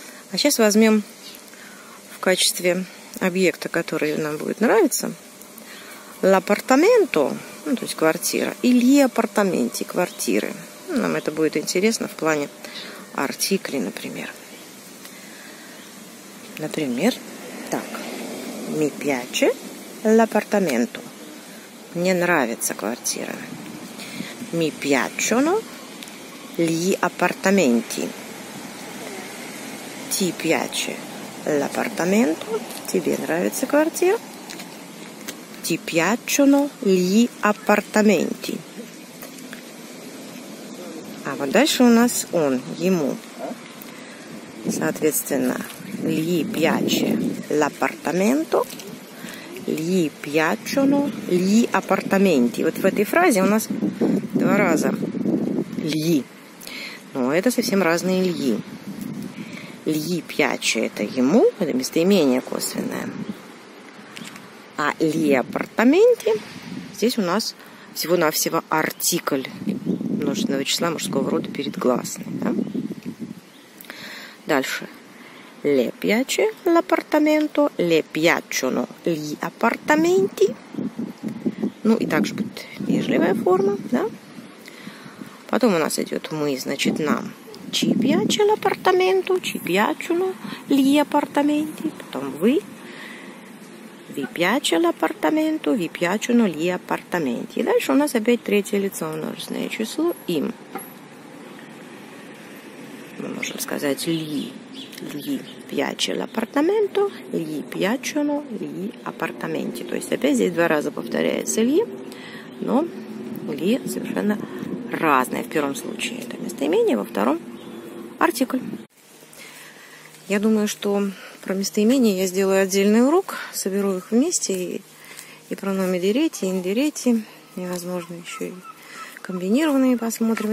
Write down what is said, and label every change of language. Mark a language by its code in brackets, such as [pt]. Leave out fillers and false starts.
[ru] А сейчас возьмем в качестве объекта, который нам будет нравиться, l'appartamento, ну, то есть квартира, или appartamenti, квартиры. Нам это будет интересно в плане артикли, например. Например, так, [it] mi piace l'appartamento. [ru] Мне нравится квартира. [it] Mi piacciono gli appartamenti. Ti piace l'appartamento? [ru] Тебе нравится квартира? [it] Ti piacciono gli appartamenti? [ru] А вот дальше у нас он, ему. Соответственно, [it] gli piace l'appartamento? Gli piacciono gli appartamenti? [ru] Вот в этой фразе у нас два раза gli. Но это совсем разные gli. [it] Gli piace [ru] – это ему, это местоимение косвенное. А gli appartamenti – здесь у нас всего-навсего артикль множественного числа мужского рода перед гласной. Да? Дальше. [it] Le piace l'appartamento, le piacciono gli appartamenti. [ru] Ну и также будет вежливая форма. Да? Потом у нас идет «мы», значит «нам». [it] Ci piace l'appartamento, ci piacciono gli appartamenti. [ru] Потом вы. [it] Vi piace l'appartamento, vi piacciono gli appartamenti. [ru] И дальше у нас опять третье лицо множественное число им. Мы можем сказать gli. [it] Gli piace l'appartamento, gli piacciono gli appartamenti. [ru] То есть опять здесь два раза повторяется gli, но gli совершенно разное в первом случае. Это местоимение, во втором артикль. Я думаю, что про местоимения я сделаю отдельный урок, соберу их вместе, и про номи дирети, и индирети, и, возможно, еще и комбинированные посмотрим.